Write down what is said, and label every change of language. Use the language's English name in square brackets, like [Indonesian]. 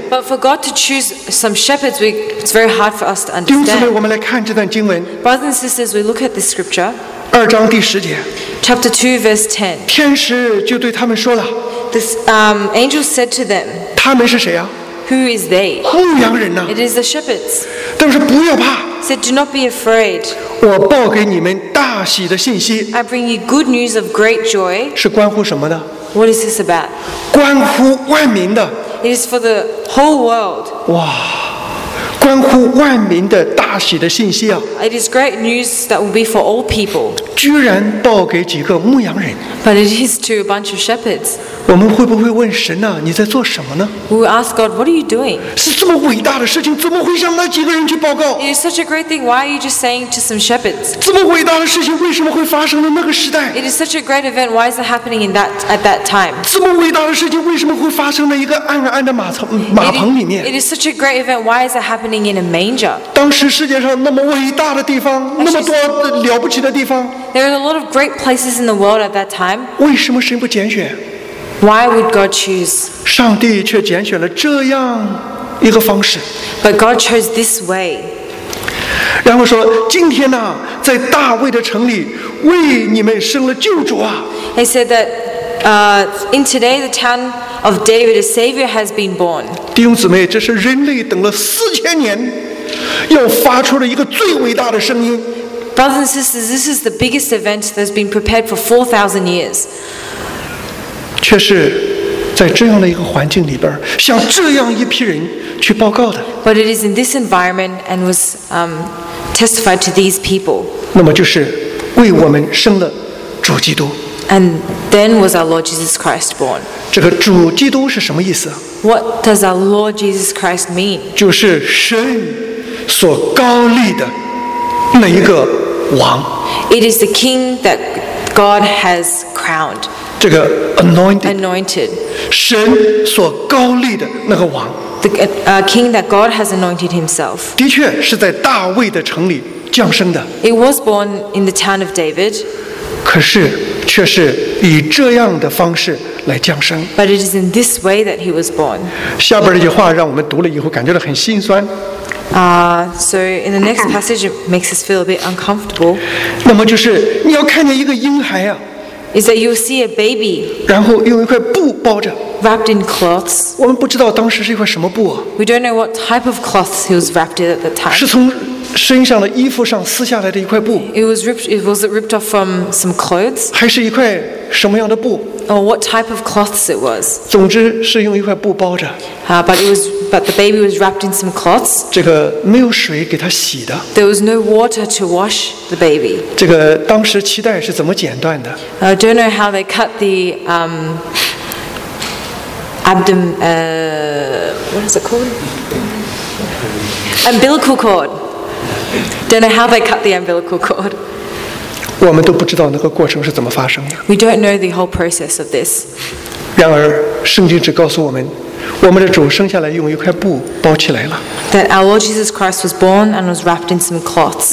[English] But for God to choose some shepherds, it's very hard for us to understand. [Chinese] 弟兄姊妹，我们来看这段经文。 [English] Brothers and sisters, we look at this scripture. [Chinese] 二章第十节。 [English] Chapter 2, verse 10. [Chinese] 天使就对他们说了。 [English] This angel said to them. [Chinese] 他们是谁啊？ [English] Who is they? [Chinese] 牧羊人呐。 [English] It is the shepherds. [Chinese] 他们说不要怕。 [English] Said, do not be afraid. [Chinese] 我报给你们大喜的信息。 [English] I bring you good news of great joy. [Chinese] 是关乎什么的？ [English] What is this about? [Chinese] 关乎万民的。 [English] It is for the whole world. [Chinese] 哇，关乎万民的大喜的信息啊。 [English] It is great news that will be for all people. [Chinese] 居然报给几个牧羊人。 [English] But it is to a bunch of shepherds. [Chinese] 我们会不会问神啊，你在做什么呢？ [English] We ask God, what are you doing? [Chinese] 是这么伟大的事情，怎么会让那几个人去报告？ [English] It is such a great thing, why are you just saying to some shepherds? [Chinese] 这么伟大的事情为什么会发生在那个时代？ [English] It is such a great event, why is it happening at that time? [Chinese] 这么伟大的事情为什么会发生在一个暗暗的马棚里面？ [English] It is such a great event, why is it happening in a manger. [Chinese] 当时世界上那么伟大的地方，那么多了不起的地方。 [English] There are a lot of great places in the world at that time. [Chinese] 为什么神不拣选？ [English] Why would God choose? [Chinese] 上帝却拣选了这样一个方式。 [English] But God chose this way. [Chinese] 然后说，今天呢，在大卫的城里，为你们生了救主啊。 [English] He said that, in today the town of David, a savior has been born. [Chinese] 弟兄姊妹，这是人类等了四千年，要发出了一个最伟大的声音。 [English] Brothers and sisters, this is the biggest event that's been prepared for 4,000 years. [Chinese] 却是在这样的一个环境里边，向这样一批人去报告的。 [English] But it is in this environment and was testified to these people. [Chinese] 那么就是为我们生了主基督。 [English] And then was our Lord Jesus Christ born. [Chinese] 这个主基督是什么意思？ [English] What does our Lord Jesus Christ mean? [Chinese] 就是神所高立的那一个王。 [English] It is the king that God has crowned. [Chinese] 这个 anointed. [English] Anointed. [Chinese] 神所高立的那个王。 [English] The king that God has anointed himself. [Chinese] 的确是在大卫的城里降生的。 [English] It was born in the town of David. [Chinese] 可是却是以这样的方式来降生。 [English] But it is in this way that he was born. [Chinese] 下边这句话让我们读了以后感觉到很心酸。 [English] So in the next passage, it makes us feel a bit uncomfortable. [Chinese] 那么就是你要看见一个婴孩啊。 [English] Is that you see a baby? [Chinese] 然后用一块布包着。 [English] wrapped in cloths. [Chinese] 我们不知道当时是一块什么布。 [English] We don't know what type of cloths he was wrapped in at the time. [Chinese] 是从身上的衣服上撕下来的一块布。 [English] It was ripped off from some clothes. [Chinese] 还是一块什么样的布 [English] ？Or what type of cloths it was? [Chinese] 总之是用一块布包着。 [English] But the baby was wrapped in some cloths. [Chinese] 这个没有水给他洗的。 [English] There was no water to wash the baby. [Chinese] 这个当时脐带是怎么剪断的 [English] ？I don't know how they cut the what is it called? Umbilical cord. Don't know how they cut the umbilical cord. [Chinese] 我们都不知道那个过程是怎么发生的。 [English] We don't know the whole process of this. [Chinese] 然而，圣经只告诉我们。我们的主生下来用一块布包起来了。 [English] That our Lord Jesus Christ was born and was wrapped in some cloths.